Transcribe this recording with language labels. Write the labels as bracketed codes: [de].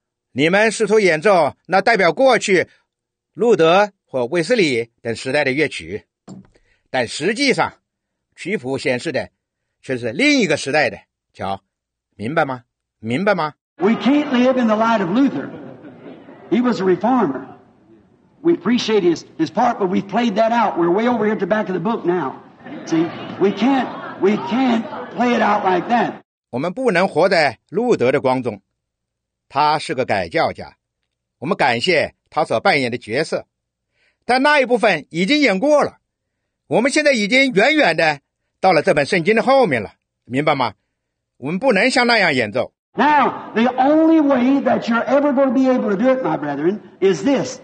[zh] 你们试图演奏那代表过去路德或卫斯理等时代的乐曲，但实际上曲谱显示的却是另一个时代的，瞧，明白吗？明白吗？ [en] We can't live in the light of Luther. He was a reformer. We appreciate his part, but we've played that out. We're way over here at the back of the book now. See, we can't play it out like that. [zh] 我们不能活在路德的光中，他是个改教家，我们感谢他所扮演的角色，但那一部分已经演过了。我们现在已经远远的到了这本圣经的后面了，明白吗？我们不能像那样演奏。 [en] Now, the only way that you're ever going to be able to do it, my brethren, is this.